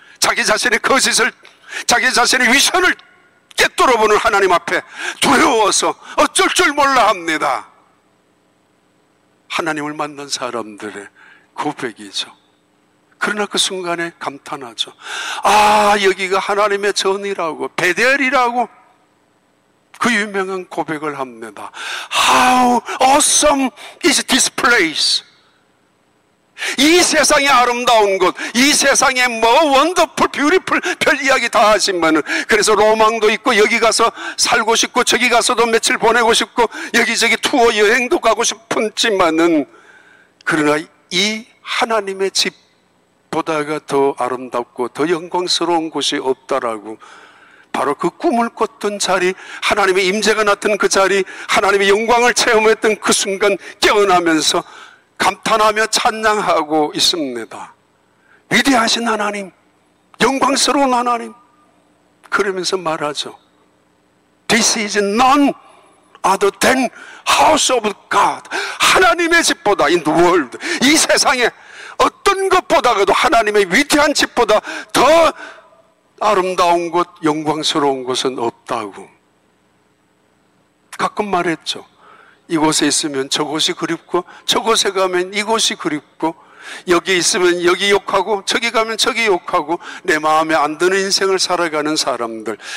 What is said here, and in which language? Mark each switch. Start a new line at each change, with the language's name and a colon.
Korean: 자기 자신의 거짓을, 자기 자신의 위선을 꿰뚫어보는 하나님 앞에 두려워서 어쩔 줄 몰라 합니다. 하나님을 만난 사람들의 고백이죠. 그러나 그 순간에 감탄하죠. 아, 여기가 하나님의 전이라고, 베델이라고 그 유명한 고백을 합니다.
English: How awesome is this place?
Korean: 이 세상의 아름다운 곳, 이 세상의 뭐
English: wonderful, beautiful,
Korean: 별 이야기 다 하지만은, 그래서 로망도 있고 여기 가서 살고 싶고 저기 가서도 며칠 보내고 싶고 여기저기 투어 여행도 가고 싶지만은, 그러나 이 하나님의 집보다가 더 아름답고 더 영광스러운 곳이 없다라고 바로 그 꿈을 꿨던 자리, 하나님의 임재가 나타난 그 자리, 하나님의 영광을 체험했던 그 순간 깨어나면서 감탄하며 찬양하고 있습니다. 위대하신 하나님, 영광스러운 하나님, 그러면서 말하죠.
English: This is none other than house of God.
Korean: 하나님의 집보다
English: in the world,
Korean: 이 세상에 어떤 것보다도 하나님의 위대한 집보다 더 아름다운 곳, 영광스러운 곳은 없다고 가끔 말했죠. 이곳에 있으면 저곳이 그립고, 저곳에 가면 이곳이 그립고, 여기 있으면 여기 욕하고, 저기 가면 저기 욕하고, 내 마음에 안 드는 인생을 살아가는 사람들.